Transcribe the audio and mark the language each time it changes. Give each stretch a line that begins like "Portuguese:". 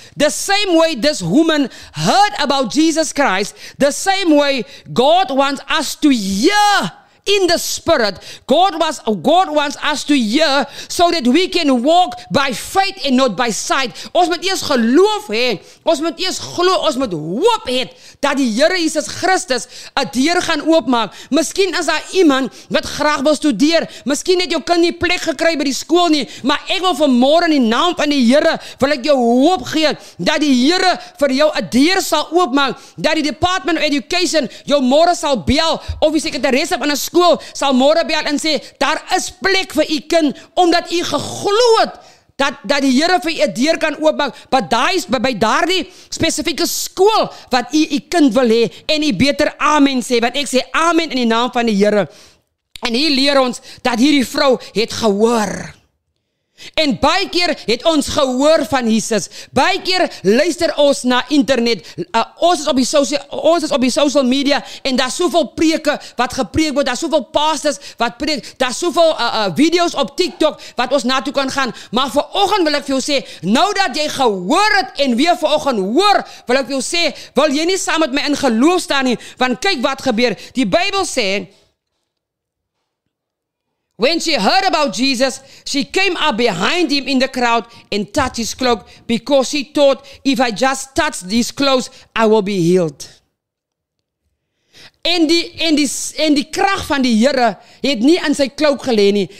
English: The same way this woman heard about Jesus Christ, the same way God wants us to hear in the spirit. God wants us to hear so that we can walk by faith and not by sight.
Afrikaans: Ons moet eers geloof hê. Ons moet eers glo, ons moet hoop hê dat die Here Jesus Christus 'n deur gaan oopmaak. Miskien is daar iemand wat graag wil studeer. Miskien het jou kind nie plek gekry by die skool nie, maar ek wil vanmôre in die naam van die Here wil ek jou hoop gee dat die Here vir jou 'n deur sal oopmaak, dat die Department of Education jou môre sal bel of die sekretaresse van 'n skool sal môre bel en sê daar is plek vir u kind omdat u geglo het dat die Here vir u deur kan oopmaak, wat daai is by daardie spesifieke skool wat u kind wil hê en u beter amen sê, want ek sê amen in die naam van die Here. En hier leer ons dat hierdie vrou het gehoor. En baie keer het ons gehoor van Jesus. Baie keer luister ons na internet. Ons is op die social media en daar is soveel preke wat gepreek word. Daar is soveel pastors wat preek. Daar is soveel video's op TikTok wat ons naartoe kan gaan. Maar vanoggend wil ek vir jou sê, nou dat jy gehoor het en weer vanoggend hoor, wil ek vir jou sê, wil jy nie saam met my in geloof staan nie? Want kyk wat gebeur. Die Bybel sê,
English: when she heard about Jesus, she came up behind him in the crowd and touched his cloak because she thought, if I just touch his clothes, I will be healed.
Afrikaans: En die krag van die Here het nie in sy cloak gelê nie.